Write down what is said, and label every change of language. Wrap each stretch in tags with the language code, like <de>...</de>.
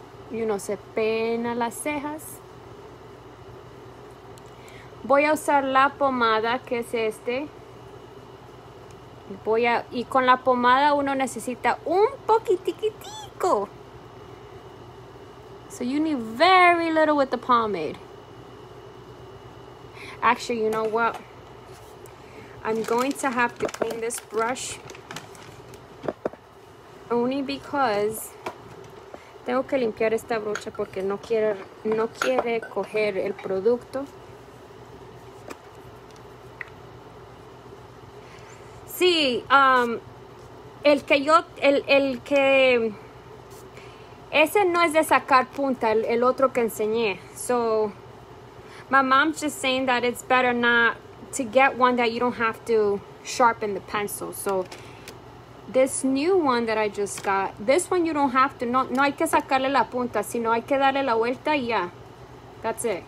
<es>Y uno se peina las cejas. Voy a usar la pomada, que es este. Y con la pomada uno necesita un poquitiquitico.</es> <en>So, you need very little with the pomade. Actually, you know what? I'm going to have to clean this brush. Only because</en> <es>tengo que limpiar esta brocha porque no quiere coger el producto. Sí, el que ese no es de sacar punta, el otro que enseñé.</es> <en>So, my mom's just saying that it's better not to get one that you don't have to sharpen the pencil. So, this new one that I just got, this one you don't have to,</en> <es>no hay que sacarle la punta, sino hay que darle la vuelta y ya.</es> <en>That's it.</en>